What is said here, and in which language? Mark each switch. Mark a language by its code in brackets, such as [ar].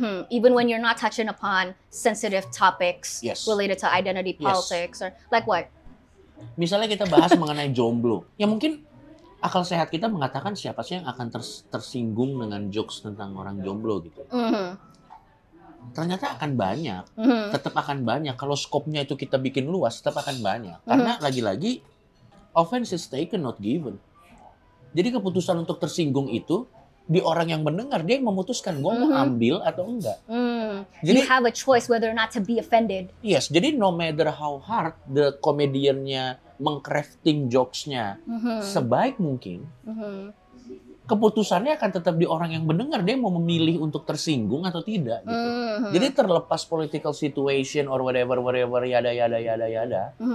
[en] Even when you're not touching upon sensitive topics related to identity politics or like what? [id] Misalnya kita bahas mengenai jomblo. Ya mungkin akal sehat kita mengatakan siapa sih yang akan tersinggung dengan jokes tentang orang jomblo gitu. Ternyata akan banyak, tetap akan banyak. Kalau skopnya itu kita bikin luas, tetap akan banyak. Karena lagi-lagi, [en] offense is taken, not given. [id] Jadi keputusan untuk tersinggung itu, di orang yang mendengar, dia yang memutuskan, gue mau ambil atau enggak. [en] Jadi, you have a choice whether or not to be offended. [id] Yes, jadi [en] no matter how hard [id] the comedian-nya mengcrafting jokes-nya sebaik mungkin, keputusannya akan tetap di orang yang mendengar, dia mau memilih untuk tersinggung atau tidak gitu. [en] Jadi terlepas political situation or whatever yada.